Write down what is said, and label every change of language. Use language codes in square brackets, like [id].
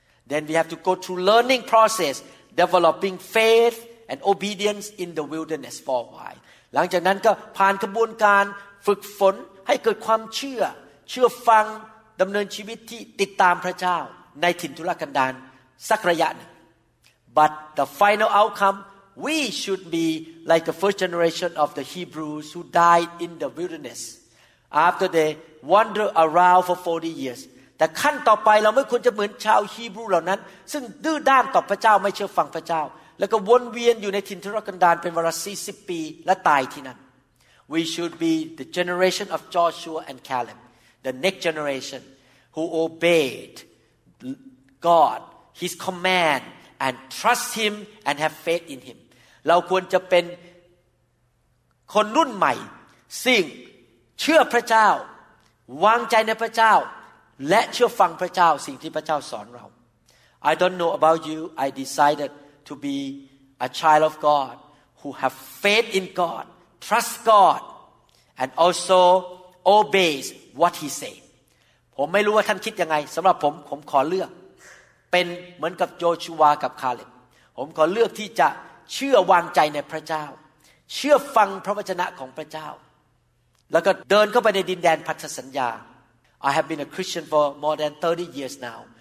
[en] Then we have to go through learning process developing faith and obedience in the wilderness for a while [th] หลังจากนั้นก็ผ่านกระบวนการฝึกฝนให้เกิดความเชื่อฟังดำเนินชีวิตที่ติดตามพระเจ้าในถิ่นทุรกันดารสักระยะหนึ่ง [en] But the final outcome, we should be like the first generation of the Hebrews who died in the wilderness after they wandered around for 40 years. [th] แต่ขั้นต่อไปเราไม่ควรจะเหมือนชาวฮีบรูเหล่านั้นซึ่งดื้อด้านต่อพระเจ้าไม่เชื่อฟังพระเจ้าแล้วก็วนเวียนอยู่ในถิ่นทุรกันดารเป็นเวลา40ปีและตายที่นั่น [en] We should be the generation of Joshua and Caleb, the next generation who obeyed God, His command, and trust Him and have faith in Him. [th] เราควรจะเป็นคนรุ่นใหม่ซึ่งเชื่อพระเจ้าวางใจในพระเจ้าและเชื่อฟังพระเจ้าสิ่งที่พระเจ้าสอนเรา [en] I don't know about you. I decided to be a child of God who have faith in God, trust God, and also obeys what He said. [th] ผมไม่รู้ว่าท่านคิดยังไงสำหรับผมผมขอเลือกเป็นเหมือนกับโยชูวากับคาเลบผมขอเลือกที่จะเชื่อวางใจในพระเจ้าเชื่อฟังพระวจนะของพระเจ้าแล้วก็เดินเข้าไปในดินแดนพันธสัญญา [en] I have been a Christian for more than 30 years now.